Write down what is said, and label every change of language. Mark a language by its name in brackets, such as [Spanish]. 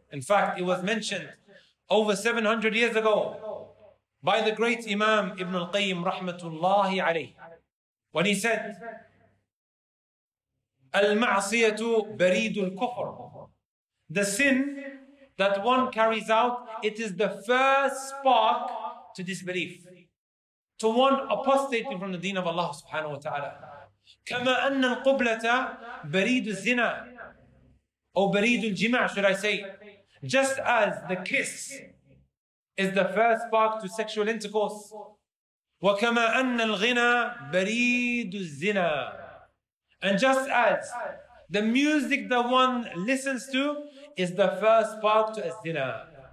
[English] In fact, it was mentioned over 700 years ago by the great Imam Ibn al-Qayyim rahmatullahi alayhi, when he said, [Arabic] Al-ma'asiyatu baridul kufr. [English] The sin that one carries out, it is the first spark to disbelief, to one apostating from the deen of Allah subhanahu wa ta'ala. [Arabic] كَمَا أَنَّ الْقُبْلَةَ بَرِيدُ الزِّنَى or بَرِيدُ الْجِمَعَ [English] should I say. Just as the kiss is the first spark to sexual intercourse. [Arabic] وَكَمَا أَنَّ الْغِنَى بَرِيدُ الزِّنَى [English] and just as the music that one listens to is the first spark to الزِّنَى.